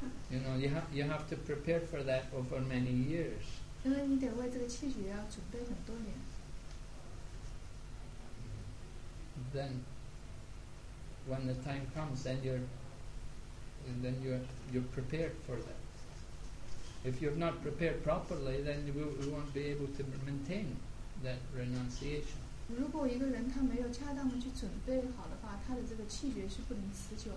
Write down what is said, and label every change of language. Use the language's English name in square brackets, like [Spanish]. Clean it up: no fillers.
[English] You know, you have to prepare for that over many years. [Chinese] 因为你得为这个弃绝要准备很多年。 [English] Then, when the time comes, then you're prepared for that. If you're not prepared properly, then we won't be able to maintain that renunciation. [Chinese] 如果一个人他没有恰当的去准备好的话，他的这个气绝是不能持久的。